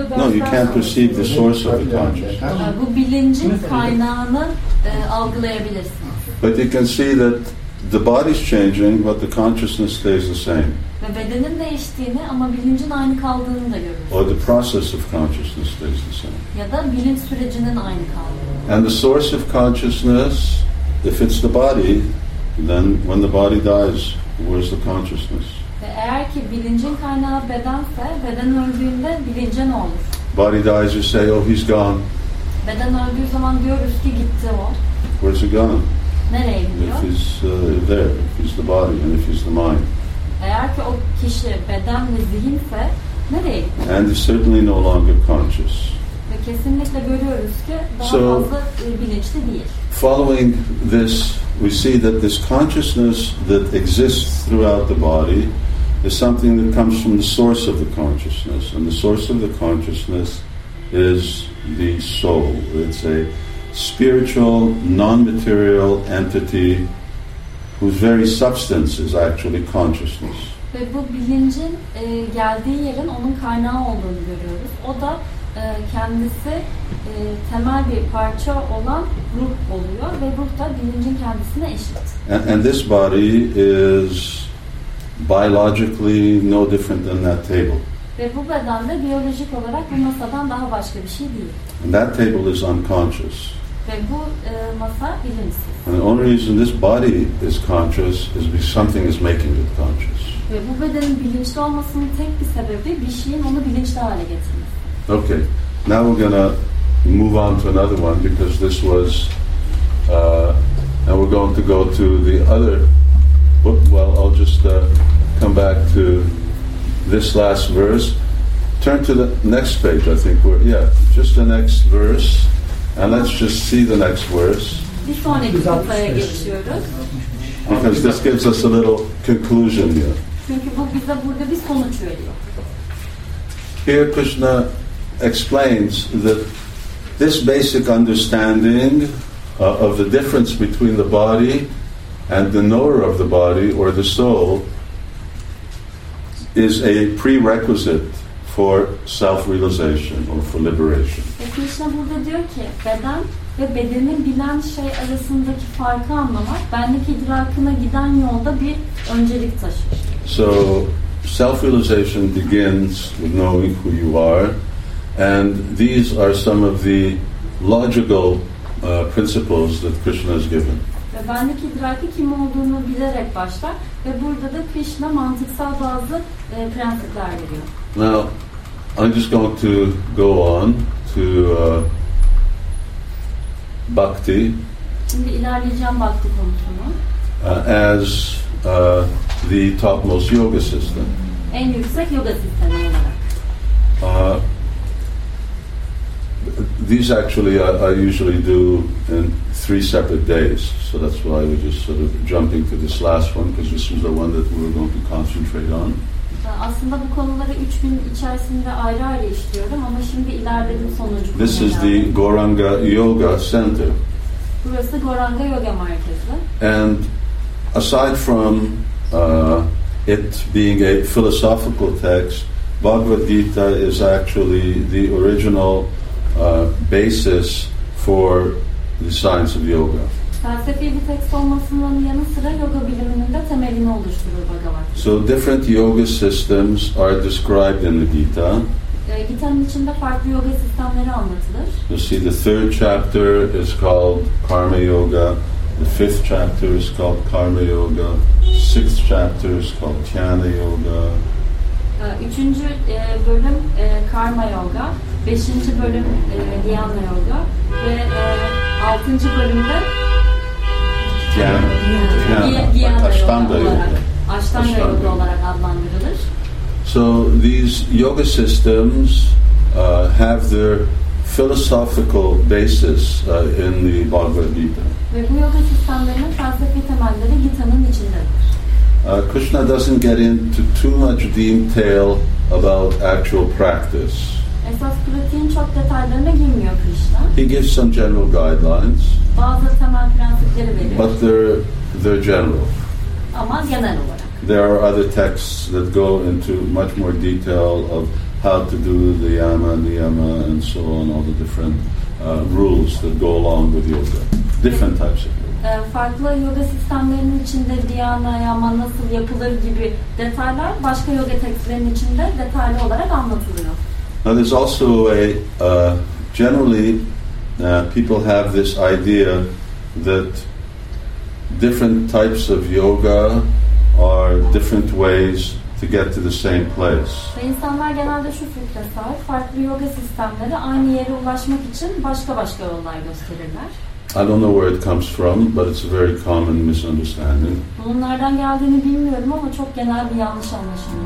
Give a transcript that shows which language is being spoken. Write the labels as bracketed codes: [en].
[en] You can't perceive the source of the conscious. [tr] Bu bilincin kaynağını algılayabilirsin. [en] But you can see that the body's changing, but the consciousness stays the same. [tr] Ve bedenin değiştiğini ama bilincin aynı kaldığını da görürsün. [en] Or the process of consciousness stays the same. [tr] Ya da bilinç sürecinin aynı kaldığını. [en] And the source of consciousness, if it's the body, then when the body dies, where's the consciousness? [tr] Ve eğer ki bilincin kaynağı bedense, beden öldüğünde bilince ne olur? [en] Body dies, you say, oh, he's gone. [tr] Beden öldüğü zaman diyoruz ki gitti o. [en] Where's he gone? [tr] Nereye gidiyor? [en] If he's there, if he's the body, and if he's the mind. [tr] Eğer ki o kişi beden ve zihinse, nereye gidiyor? [en] And he's certainly no longer conscious. [tr] Ve kesinlikle görüyoruz ki daha so, fazla bilinçli değil. [en] Following this, we see that this consciousness that exists throughout the body is something that comes from the source of the consciousness. And the source of the consciousness is the soul. It's a spiritual, non-material entity whose very substance is actually consciousness. [tr] Ve bu bilincin geldiği yerin onun kaynağı olduğunu görüyoruz. O da kendisi temel bir parça olan ruh oluyor ve ruh da bilincin kendisine eşit. [en] And this body is biologically no different than that table. [tr] Ve bu beden de biyolojik olarak bu masadan daha başka bir şey değil. [en] And that table is unconscious. [tr] Ve bu masa bilinçsiz. [en] And the only reason this body is conscious is because something is making it conscious. [tr] Ve bu bedenin bilinçli olmasının tek bir sebebi bir şeyin onu bilinçli hale getirmesi. [en] Okay, now we're gonna move on to another one because this was, and we're going to go to the other. Well, I'll just come back to this last verse. Turn to the next page, I think. Just the next verse. And let's just see the next verse. [tr] Bir sonraki sayfaya geçiyoruz. [en] Because this gives us a little conclusion here. [tr] Çünkü bu bize burada bir sonuç veriyor. [en] Here Krishna explains that this basic understanding of the difference between the body and the knower of the body or the soul is a prerequisite for self-realization or for liberation. [tr] Krishna burada diyor ki beden ve bedenin bilen şey arasındaki farkı anlamak benlik idrakına giden yolda bir öncelik taşır. [en] So self-realization begins with knowing who you are, and these are some of the logical principles that Krishna has given. [tr] Ve benlik idraki kim olduğunu bilerek başlar ve burada da Krishna mantıksal bazı prensipler veriyor. [en] Now I'm just going to go on to bhakti. [tr] Şimdi ilerleyeceğim bhakti konusunu. [en] As the topmost yoga system. [tr] En yüksek yoga sistemi olarak. [en] These actually I usually do in three separate days, so that's why we're just sort of jumping to this last one because this is the one that we're going to concentrate on. [tr] Aslında bu konuları 3 gün içerisinde ayrı ayrı işliyorum ama şimdi ilerledim sonucu. [en] This is the Gauranga Yoga Center. [tr] Burası Gauranga Yoga Merkezi. [en] And aside from it being a philosophical text, Bhagavad Gita is actually the original basis for the science of yoga. [tr] Felsefi bir tekst olmasının yanı sıra yoga biliminin de temelini oluşturur Bhagavad Gita. [en] So different yoga systems are described in the Gita. [tr] Gita'nın içinde farklı yoga sistemleri anlatılır. [en] You see the third chapter is called Karma Yoga. The fifth chapter is called Karma Yoga. Sixth chapter is called Dhyana Yoga. [tr] Üçüncü bölüm Karma Yoga. Beşinci bölüm Dhyana Yoga. Ve altıncı bölümde Ashtanga Yoga. Ashtanga Yoga olarak adlandırılır. [en] So these yoga systems have their philosophical basis in the Bhagavad Gita. [tr] Ve bu yoga sistemlerinin felsefi temelleri Gita'nın içindedir. [en] Krishna doesn't get into too much detail about actual practice. [tr] Esas pratiğin çok detaylarına girmiyor Krishna. [en] He gives some general guidelines. [tr] Bazı temel prensipleri veriyor. [en] But they're general. [tr] Ama genel olarak. [en] There are other texts that go into much more detail of how to do the yama, niyama, and so on, all the different rules that go along with yoga. Different types of yoga. [tr] Farklı yoga sistemlerinin içinde dhyana, yama nasıl yapılır gibi detaylar başka yoga tekstlerinin içinde detaylı olarak anlatılıyor. [en] Now there's also a generally people have this idea that different types of yoga are different ways to get to the same place. [tr] İnsanlar genelde şu fikre sahip, farklı yoga sistemleri aynı yere ulaşmak için başka başka yollar gösterirler. [en] I don't know where it comes from, but it's a very common misunderstanding. [tr] Bunun nereden geldiğini bilmiyorum ama çok genel bir yanlış anlaşılma.